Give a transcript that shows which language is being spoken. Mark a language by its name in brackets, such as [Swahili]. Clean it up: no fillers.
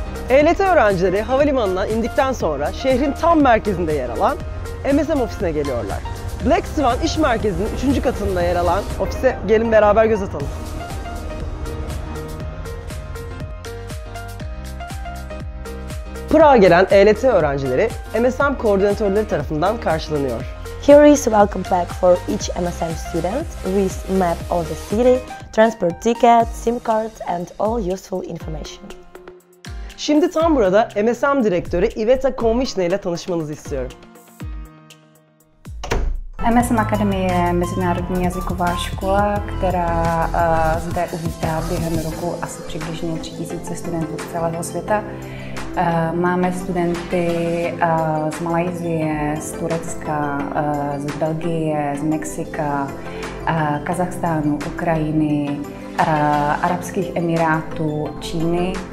[Turkish] ELT öğrencileri havalimanından indikten sonra şehrin tam merkezinde yer alan MSM ofisine geliyorlar. Black Swan iş merkezinin 3. katında yer alan ofise gelin beraber göz atalım. Prag'a gelen ELT öğrencileri MSM koordinatörleri tarafından karşılanıyor. [English] Here is a welcome pack for each MSM student with map of the city, transport ticket, SIM card and all useful information. [Turkish] Şimdi tam burada MSM direktörü Iveta Konvişne ile tanışmanızı istiyorum. [Czech] MSM Akademie je mezinárodní jazyková škola, která zde uvítá během roku asi přibližně 3000 studentů z celého světa. Máme studenty z Malajzie, z Turecka, z Belgie, z Mexika, Kazachstánu, Ukrajiny, Arabských Emirátů, Číny.